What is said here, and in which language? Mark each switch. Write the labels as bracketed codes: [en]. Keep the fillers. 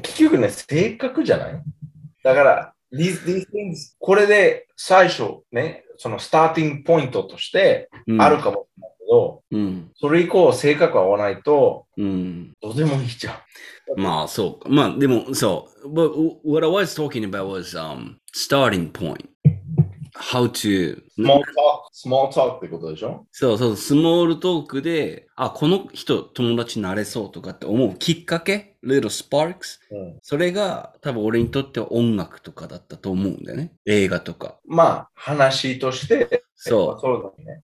[ja] 結局ね、性格じゃないだから、 [en] these, these things, [ja] これで最初ね、そのスターティングポイントとしてあるかもしれない。うんう,うん、それ以降性格合わないと、うん、どうでもいいじゃん。まあそうまあでもそう。 [en] But what I was talking about was、um,、starting point. How to. [ja] スモールトーク、スモールトークってことでしょそうそうそう、スモールトークで、あ、この人友達になれそうとかって思うきっかけ ? [en] little sparks?、 [ja] うん、それが多分俺にとっては音楽とかだったと思うんだよね。うん、映画とか。まあ話として。そう。そうだね。